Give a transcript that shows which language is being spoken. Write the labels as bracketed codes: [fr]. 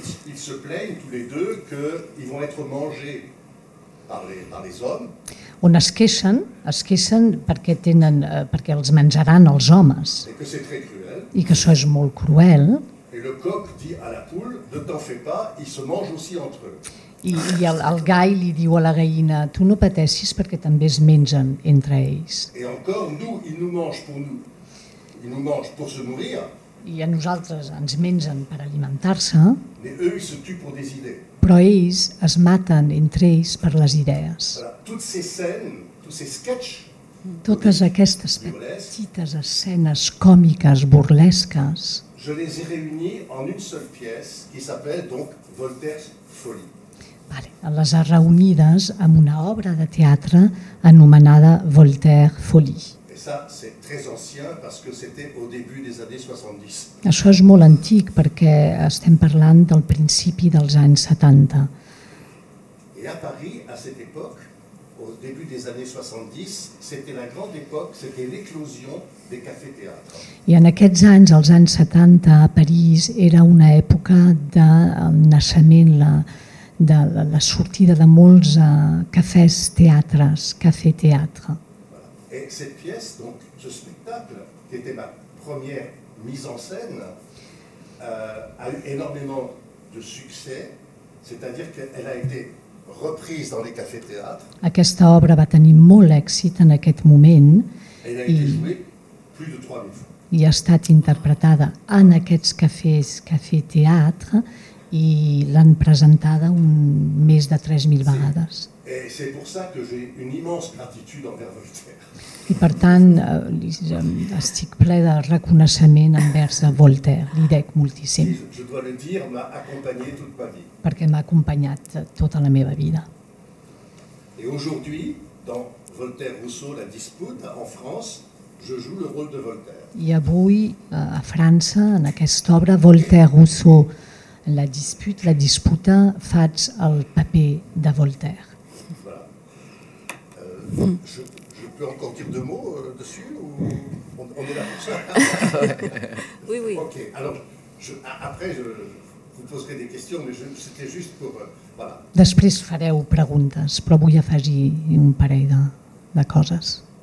[fr] Ils se plaignent tous les deux que ils vont être mangés par les hommes. [ca] On es queixen perquè tenen, perquè els menjaran els homes. I que això és molt cruel. [fr] Et le coq dit à la poule, ne t'en fais pas, ils se mangent aussi entre eux. [ca] I el gall li diu a la gallina, tu no pateixis perquè també es mengen entre ells. [fr] Et encore, nous, ils nous mangent pour nous. Ils nous mangent pour se nourrir. [ca] I a nosaltres ens mengen per alimentar-se. [fr] Mais eux, ils se tuent pour des idées. [ca] Però ells es maten entre ells per les idees. [fr] Voilà. Toutes ces scènes, tous ces sketchs, [ca] totes aquestes petites escenes còmiques, burlesques, [fr] je les ai réunies en une seule pièce qui s'appelle donc Voltaire's Folie. [ca] Vale, les ha reunides en una obra de teatre anomenada Voltaire Folie. [fr] Et ça, c'est très ancien parce que c'était au début des années 70. [ca] Això és molt antic perquè estem parlant del principi dels anys 70. [fr] Et à Paris, à cette époque, au début des années 70, c'était la grande époque, c'était l'éclosion des cafés théâtre. [ca] I en aquests anys, als anys 70, a París, era una època del naixement, de la sortida de molts cafès teatres, café théâtre. [fr] Et cette pièce, donc ce spectacle, qui était ma première mise en scène, a eu énormément de succès, c'est-à-dire qu'elle a été reprise dans les cafés théâtre. [ca] Aquesta obra va tenir molt èxit en aquest moment. I ha estat interpretada en aquests cafès, café théâtre, i l'han presentada més de 3.000 vegades. [fr] Et c'est pour ça que j'ai une immense gratitude envers Voltaire. [ca] I per tant, estic ple de reconeixement envers Voltaire, li dec moltíssim. [fr] Je dois le dire, [ca] m'ha acompanyat [fr] toute ma vie. [ca] Perquè m'ha acompanyat tota la meva vida. [fr] Et aujourd'hui, dans Voltaire Rousseau, la dispute, en France, je joue le rôle de Voltaire. [ca] I avui, a França, en aquesta obra, Voltaire Rousseau, la dispute, la disputa, faig el paper de Voltaire. [fr] Voilà. Je peux encore dire deux mots dessus ou on est là pour ça? Oui, oui. Ok, alors après je vous poserai des questions, mais c'était juste pour... Voilà. [ca] Després fareu preguntes, però vull afegir un parell de coses.